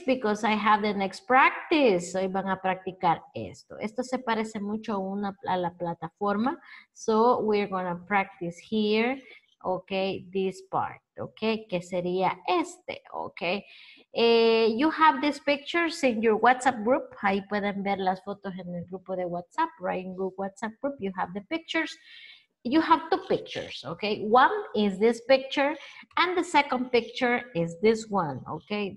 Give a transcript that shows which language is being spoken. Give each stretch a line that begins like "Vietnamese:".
English: Because I have the next practice.
Spanish: Hoy van a practicar esto. Esto se parece mucho a la plataforma.
English: So we're going to practice here. Okay, this part. Okay,
Spanish: que sería este.
English: Okay. You have these pictures in your WhatsApp group.
Spanish: Ahí pueden ver las fotos en el grupo de WhatsApp.
English: Right in your WhatsApp group, you have the pictures. You have two pictures, okay? One is this picture, and the second picture is this one, okay?